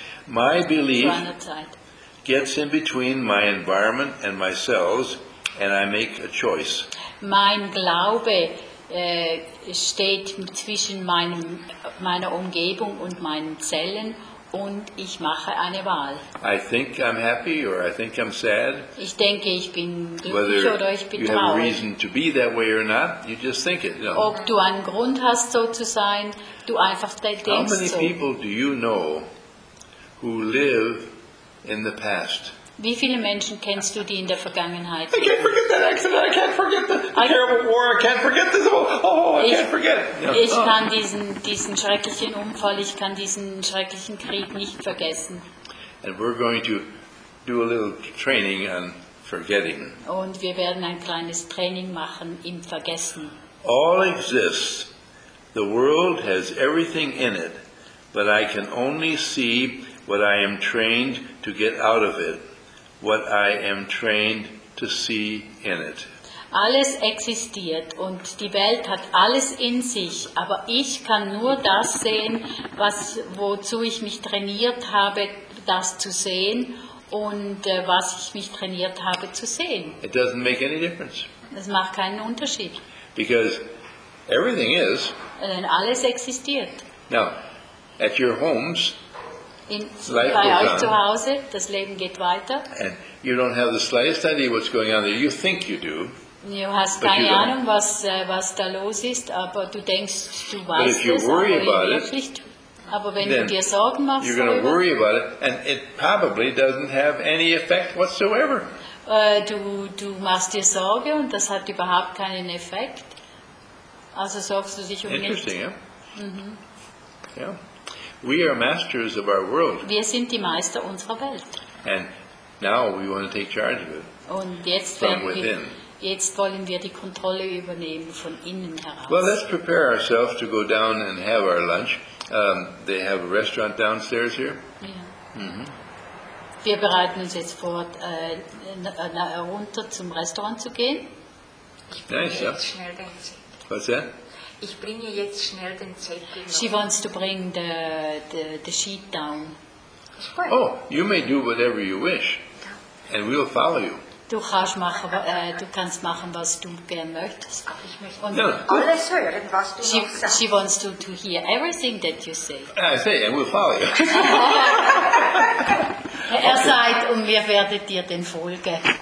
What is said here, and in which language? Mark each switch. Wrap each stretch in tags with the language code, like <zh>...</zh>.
<en>My belief gets in between my environment and my cells, and I make a choice.</en> <de>Mein Glaube steht zwischen meiner Umgebung und meinen Zellen. und ich mache eine Wahl.</de> <en>I think I'm happy or I think I'm sad.</en> <de>Ich denke, ich bin glücklich oder ich bin traurig.</de> <en>Whether you have a reason to be that way or not, you just think it. You know.</en> <de>Ob du einen Grund hast, so zu sein, du einfach denkst so.</de> <en>How many people do you know who live in the past?</en> <de>Wie viele Menschen kennst du, die in der Vergangenheit leben?</de> <en>I can't forget that accident, I can't forget the terrible war, I can't forget this, I can't forget it. No.</en> <de>Ich kann diesen schrecklichen Unfall, ich kann diesen schrecklichen Krieg nicht vergessen.</de> <en>And we're going to do a little training on forgetting.</en> <de>Und wir werden ein kleines Training machen im Vergessen.</de> <en>All exists, the world has everything in it, but I can only see what I am trained to get out of it. What I am trained to see in it.</en> <de>Alles existiert und die Welt hat alles in sich, aber ich kann nur das sehen, wozu ich mich trainiert habe, das zu sehen und was ich mich trainiert habe zu sehen.</de> <en>It doesn't make any difference.</en> <de>Das macht keinen Unterschied.</de> <en>Because everything is.</en> <de>Denn alles existiert.</de> <en>Now, at your homes.</en> <de>Bei euch zu Hause, das Leben geht weiter.</de> <en>And you don't have the slightest idea what's going on there. You think you do.</en> <de>Du hast keine Ahnung, was da los ist, aber du denkst, du weißt es. Aber wenn du dir Sorgen machst,</de> <en>you're going to worry about it, and it probably doesn't have any effect whatsoever.</en> <de>Du machst dir Sorge und das hat überhaupt keinen Effekt. Also sorgst du dich um nichts.</de> <en>Interesting,</en> <de>ja.</de> <en>We are masters of our world.</en> <de>Wir sind die Meister unserer Welt.</de> <en>And now we want to take charge of it.</en> <de>Und jetzt</de> <en>from within.</en> <de>Jetzt wollen wir die Kontrolle übernehmen von innen heraus.</de> <en>Well, let's prepare ourselves to go down and have our lunch. They have a restaurant downstairs here. Yeah. Mm-hmm.</en> <de>Wir bereiten uns jetzt vor, runter zum Restaurant zu gehen.</de> <en>Nice, yeah. What's that?</en> <de>Ich bringe jetzt schnell den Zettel.</de> <en>She wants to bring the sheet down. Oh, you may do whatever you wish, and we'll follow you.</en> <de>Du kannst machen, was du gern möchtest. Aber ich möchte alles hören, was du noch sagst.</de> <en>She wants to hear everything that you say. I say, and we'll follow you.</en> <de>Er sagt, und wir werden dir den folgen.</de>